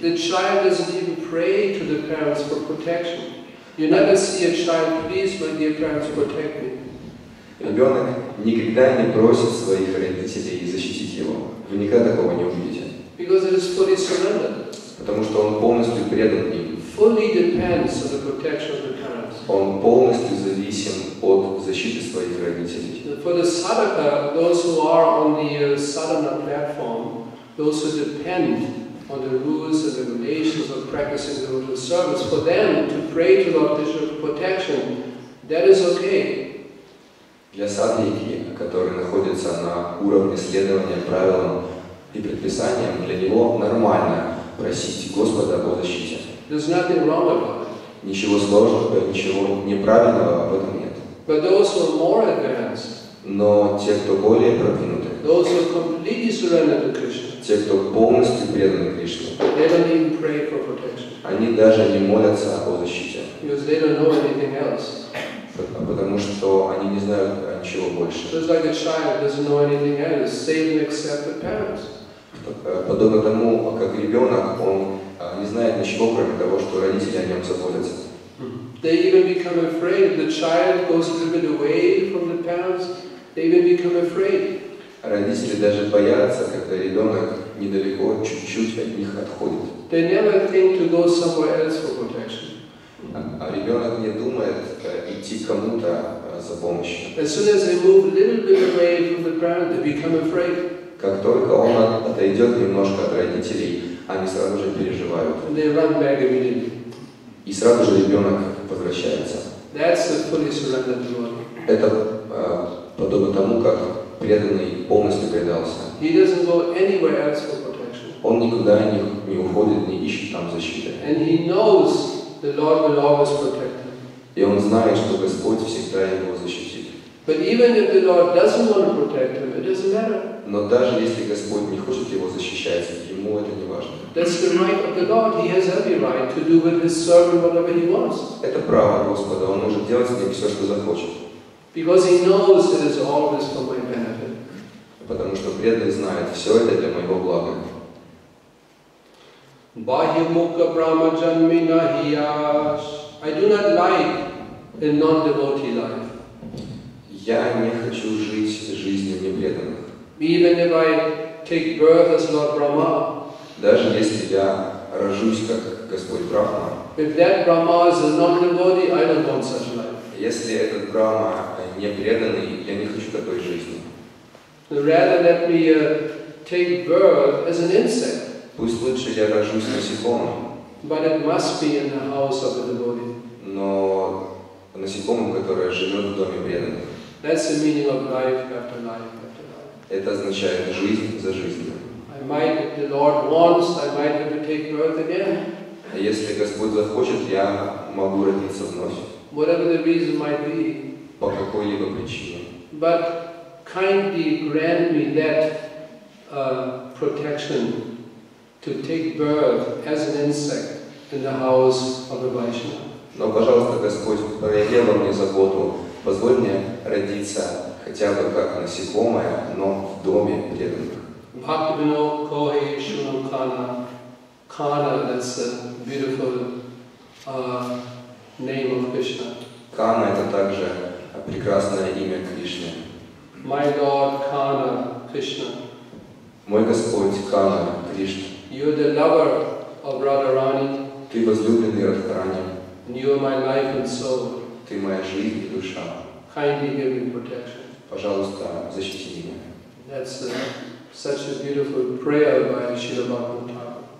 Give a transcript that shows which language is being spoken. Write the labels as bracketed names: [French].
[English] The child doesn't even pray to the parents for protection. You never see a child, please, my dear parents, protect me. [Russian] Ребенок никогда не просит своих родителей защитить его. Вы никогда такого не увидите. [English] Because it is fully surrendered. [Russian] Потому что он полностью предан им. [English] Fully depends on the protection of the parents. [Russian] Он полностью зависим от защиты своих родителей. [English] For the sadhaka, those who are on the sadhana platform, those who depend on the rules and regulations of practicing devotional service, for them to pray to Lord Krishna for protection, that is okay. [Russian] Для садхики, которые находятся на уровне следования правилам и предписаниям, для него нормально просить Господа о защите. [English] There's nothing wrong about it. [Russian] Ничего сложного, ничего неправильного об этом нет. [English] But those who are more advanced, [Russian] но те, кто более продвинуты, [English] those who are completely surrendered to Krishna, [Russian] те, кто полностью преданы Кришне, [English] they don't even pray for protection. [Russian] Они даже не молятся о защите. [English] Because they don't know anything else. [Russian] Потому что они не знают ничего больше. [English] Just like a child doesn't know anything else, save and accept the parents. [Russian] Подобно тому, как ребенок, он не знает ничего, кроме того, что родители о нем заботятся. [English] They even become afraid. The child goes a little bit away from the parents. They even become afraid. [Russian] Родители даже боятся, когда ребенок недалеко, чуть-чуть от них отходит. [English] They never think to go somewhere else for protection. [Russian] А ребенок не думает идти кому-то за помощью. [English] As soon as they move a little bit away from the parents, they become afraid. [Russian] Как только он отойдет немножко от родителей, они сразу же переживают. [English] They run back immediately. [Russian] И сразу же ребенок возвращается. [English] That's the fully surrendered Lord. [Russian] Это подобно тому, как преданный полностью предался. [English] He doesn't go anywhere else for protection. [Russian] Он никуда не уходит, не ищет там защиты. [English] And he knows the Lord will always protect him. [Russian] И он знает, что Господь всегда его защитит. [English] But even if the Lord doesn't want to protect him, it doesn't matter. [Russian] Но даже если Господь не хочет его защищать, ему это не важно. [English] That's the right of the Lord. He has every right to do with his servant whatever he wants. [Russian] Это право Господа. Он может делать с ним все, что захочет. [English] Because he knows it is always for my benefit. [Russian] Потому что преданный знает, все это для моего блага. [Bangla] Bahimukha Brahma Janmina Hiyash. [English] I do not like a non-devotee life. [Russian] Я не хочу жить жизнью непреданных. [English] Even if I take birth as Lord Brahma, [Russian] даже если я рожусь как Господь Брахма, [English] if that Brahma is a non-devotee, I don't want such life. [Russian] Если этот Брахма не преданный, я не хочу такой жизни. [English] Rather let me take birth as an insect. [Russian] Пусть лучше я рожусь насекомым. [English] But it must be in the house of a devotee. [Russian] Но насекомым, которое живет в доме преданных. [English] That's the meaning of life after life. [Russian] Это означает жизнь за жизнью. [English] I might, if the Lord wants, I might have to take birth again. [Russian] Если Господь захочет, я могу родиться вновь. [English] Whatever the reason might be. [Russian] По какой-либо причине. [English] But kindly grant me that protection to take birth as an insect in the house of a Vaishnava. [Russian] Но, пожалуйста, Господь, проявил мне заботу, позволь мне родиться хотя бы как насекомое, но в доме преданных. [Bangla] Бхактивино кохи шунам кана. [English] Кана – that's a beautiful name of Krishna. [Russian] Кана – это также прекрасное имя Кришны. [English] My Lord Kana Krishna. [Russian] Мой Господь Кана Кришна. [English] You're the lover of Radharani. [Russian] Ты возлюбленный Радхарани. [English] And you are my life and soul. [Russian] Ты моя жизнь и душа. [English] Kindly give me protection. [Russian] Пожалуйста, защити меня. [English] That's such a beautiful prayer by Śrīla Bhaktivinoda.